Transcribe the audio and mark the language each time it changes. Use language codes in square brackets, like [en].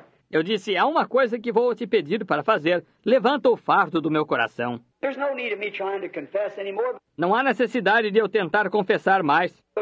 [pt] Eu disse, há uma coisa que vou te pedir para fazer. Levanta o fardo do meu coração. [en] No need of me trying to confess anymore. [pt] Não há necessidade de eu tentar confessar mais.